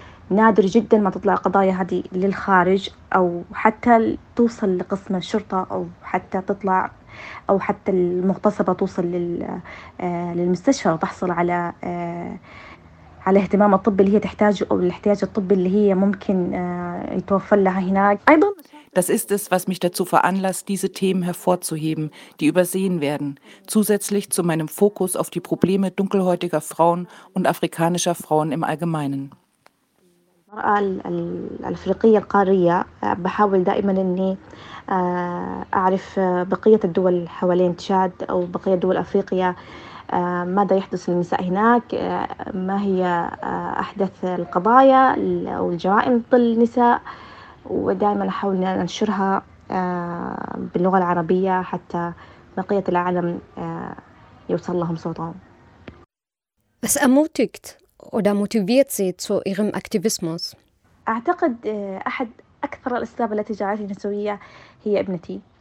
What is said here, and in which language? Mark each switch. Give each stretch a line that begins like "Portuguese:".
Arabic: نادر جدا ما تطلع قضايا هذه للخارج أو حتى توصل لقسم الشرطة أو حتى تطلع أو حتى المغتصبة توصل للمستشفى وتحصل على اهتمام الطب اللي هي تحتاجه أو الاحتياج الطبي اللي هي ممكن يتوفر لها هناك أيضا.
German: Das ist es, was mich dazu veranlasst, diese Themen hervorzuheben, die übersehen werden, zusätzlich zu meinem Fokus auf die Probleme dunkelhäutiger Frauen und afrikanischer Frauen im Allgemeinen.
Arabic: ماذا يحدث للنساء هناك ما هي أحدث القضايا أو الجرائم ضد النساء ودائما أحاول أن أنشرها باللغة العربية حتى بقية العالم يوصل لهم صوتهم.
German: Was ermutigt oder motiviert Sie zu Ihrem Aktivismus?
Arabic: أعتقد أحد أكثر الأسباب التي جعلتني نسوية هي ابنتي.